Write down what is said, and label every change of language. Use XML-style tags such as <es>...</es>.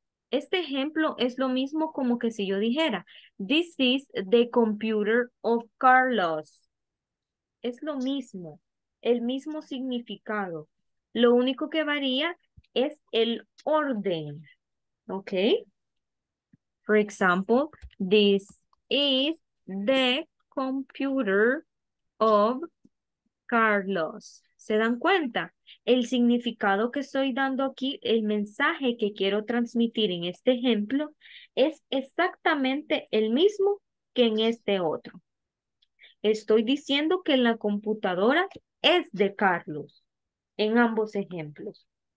<es>Este ejemplo es lo mismo como que si yo dijera,</es> <en>this is the computer of Carlos.</en> <es>Es lo mismo, el mismo significado. Lo único que varía es el orden. ¿Ok?</es> <en>For example, this is the computer of Carlos.</en> <es>¿Se dan cuenta? El significado que estoy dando aquí, el mensaje que quiero transmitir en este ejemplo, es exactamente el mismo que en este otro. Estoy diciendo que la computadora es de Carlos en ambos ejemplos.</es>